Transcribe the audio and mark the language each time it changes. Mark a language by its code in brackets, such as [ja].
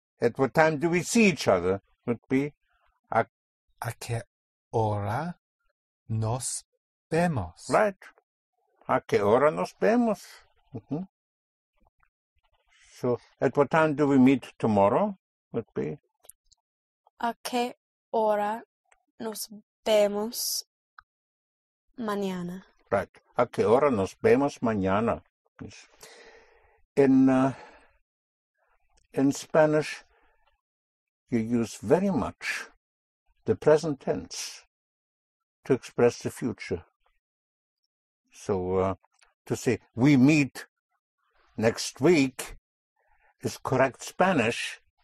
[en] At what time do we see each other? Would be, [es] a qué hora nos vemos? Right. A qué hora nos vemos? [en] So, at what time do we meet tomorrow? Would be, [es] a qué hora nos vemos mañana? [en] Right. [es] A qué hora nos vemos mañana? [en] Yes. In Spanish, you use very much the present tense to express the future. So, to say, we meet next week is correct Spanish.